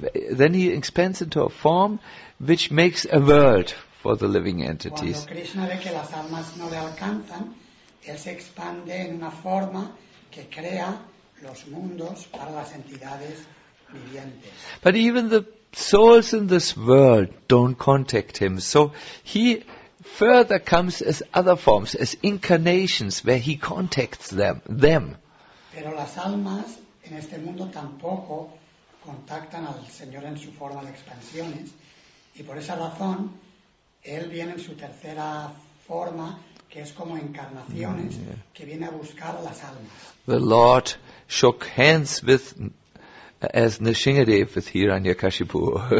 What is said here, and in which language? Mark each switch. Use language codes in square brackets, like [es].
[en] Then he expands into a form which makes a world for the living entities. [es] Cuando Krishna ve que las almas no le alcanzan, él se expande en una forma que crea los mundos para las entidades vivientes. [en] But even the souls in this world don't contact him, so he further comes as other forms, as incarnations, where he contacts them. [es] Pero las almas en este mundo tampoco contactan al Señor en su forma de expansiones, y por esa razón él viene en su tercera forma, que es como encarnaciones, que viene a buscar las almas. [en] The Lord shook hands with as Nrisingadev with Hiranyakashipu.